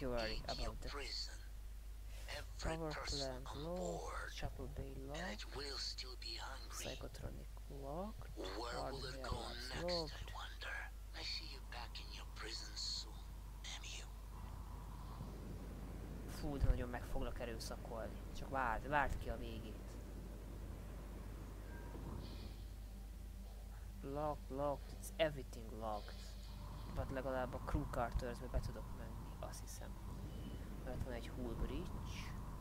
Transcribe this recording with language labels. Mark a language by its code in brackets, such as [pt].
[en] you worry about your prison. Every power plant lock, chapel bay lock, and it will still be hungry. Psychotronic lock. Where will it go next, locked. I wonder? I see you back in your prison soon, damn you. [hu] Fú, de nagyon meg foglak erőszakolni. Csak várd, várd ki a végét. [en] Lock, locked, it's everything locked. [hu] Vagy legalább a crew carters-be be tudok menni, azt hiszem. Mert van egy hull bridge.